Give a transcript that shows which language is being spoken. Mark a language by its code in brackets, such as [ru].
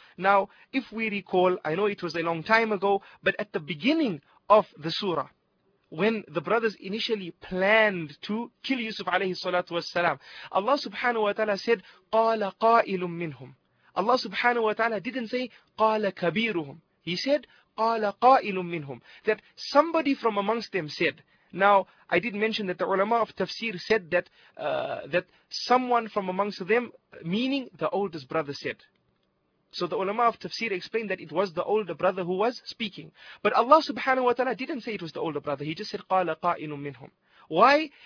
[en] Now, if we recall, I know it was a long time ago, but at the beginning of the surah, when the brothers initially planned to kill Yusuf alayhi salatu wasalam, Allah subhanahu wa ta'ala said, [ar] قَالَ قَائِلٌ مِّنْهُمْ. [en] Allah subhanahu wa ta'ala didn't say, [ar] قَالَ كَبِيرُهُمْ. [en] He said, [ar] قَالَ قَائِلٌ مِّنْهُمْ. [en] That somebody from amongst them said. Now, I did mention that the ulama of tafsir said that that someone from amongst them, meaning the oldest brother, said. So the ulama of tafsir explained that it was the older brother who was speaking. But Allah subhanahu wa ta'ala didn't say it was the older brother. He just said, [ar] قَالَ قَائِنٌ مِّنْهُمْ. [en] Why?